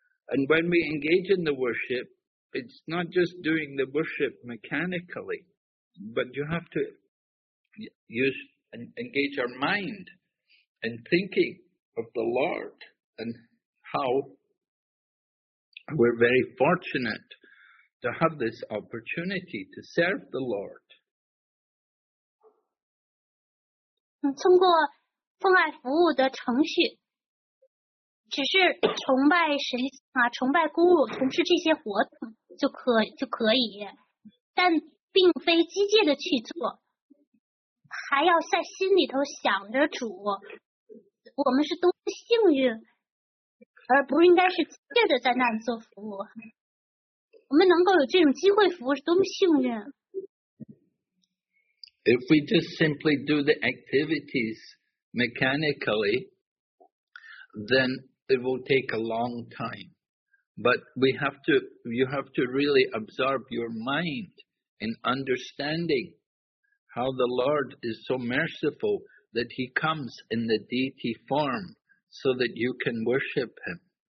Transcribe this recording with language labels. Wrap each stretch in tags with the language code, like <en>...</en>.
<en>And when we engage in the worship, it's not just doing the worship mechanically, but you have to use and engage our mind in thinking of the Lord and how we're very fortunate. To have this opportunity to serve the Lord.</en> <zh>通过奉爱服务的程序，只是崇拜神像啊，崇拜孤儿，从事这些活动就可以，但并非机械的去做，还要在心里头想着主，我们是多幸运，而不应该是机械的在那里做服务。我们能够有这种机会服务是多么幸运。</zh> <en>If we just simply do the activities mechanically, then it will take a long time. But you have to really absorb your mind in understanding how the Lord is so merciful that he comes in the deity form so that you can worship him.</en>